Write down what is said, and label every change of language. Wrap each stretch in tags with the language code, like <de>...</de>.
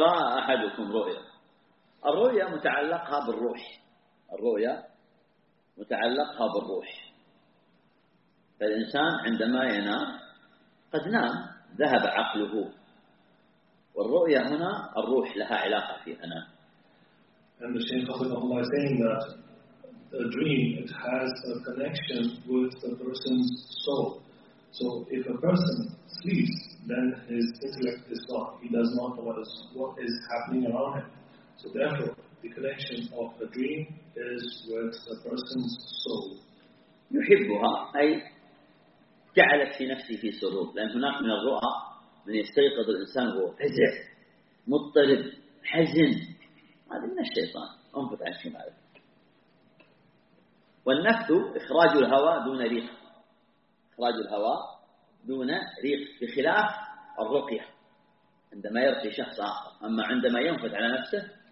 <ar>إذا رأى أحدكم رؤيا الرؤيا متعلقها بالروح الرؤيا متعلقها بالروح فالإنسان عندما ينام قد نام ذهب عقله، والرؤية هنا الروح لها علاقة في أنا.</ar> <en>And the Shaykh of Allah is saying that a dream, it has a connection with the person's soul. So if a person sleeps, then his intellect is gone. He does not know what is happening around him. So therefore, the connection of a dream is with the person's soul.</en> <ar>يحبها أي جعلت في نفسه في سرور، لأن هناك من الرؤى من يستيقظ الإنسان وهو فزع مضطرب حزن، هذا من الشيطان أنفض عن شماله. والنفث إخراج الهواء دون ريق، إخراج الهواء دون ريق، بخلاف الرقية عندما يرقي شخص آخر، أما عندما ينفذ على نفسه</ar>